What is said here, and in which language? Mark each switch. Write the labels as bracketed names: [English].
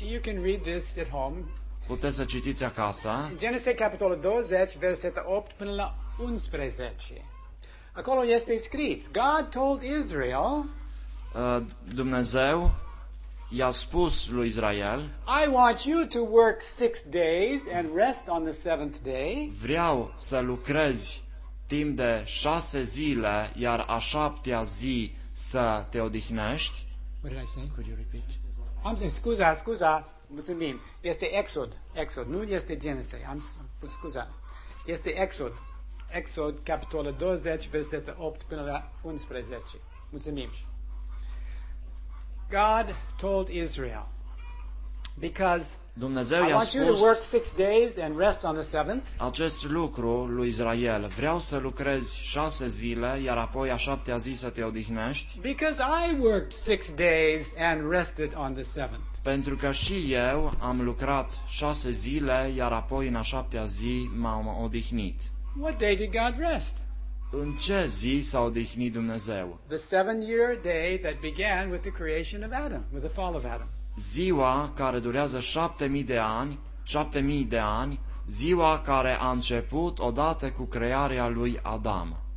[English] You can read this at home. [Romanian] Puteți să citiți acasă. Genesis capitolul 20, versetul 8 până la 11. Acolo este scris. [English] God told Israel. [Romanian] Dumnezeu i-a spus lui Israel. [English] I want you to work 6 days and rest on the seventh day. [Romanian] Vreau să lucrezi timp de 6 zile, iar a șaptea zi să te odihnești. [English] What did I say? Could you repeat? [Romanian] Am zis, scuza, mulțumim. Este Exod, nu este Genesis. Am spus, scuza. Este Exod, capitolul 20, versetul 8 până la 11. Mulțumim. [English] God told Israel, because [Romanian] Dumnezeu [English] I want [Romanian] spus, [English] you to work 6 days and rest on the seventh. [Romanian] Acest lucru lui Israel, vreau să lucrezi 6 zile, iar apoi a 7-a zi să te odihnești. [English] Because I worked 6 days and rested on the seventh. [Romanian] Pentru că și eu am lucrat 6 zile, iar apoi în a 7-a zi m-am odihnit. [English] What day did God rest? [Romanian] În ce zi s-a odihnit Dumnezeu? [English] The 7-year day that began with the creation of Adam, with the fall of Adam. [Romanian] Ziua care durează 7000 de ani, ziua care a început odată cu crearea lui Adam.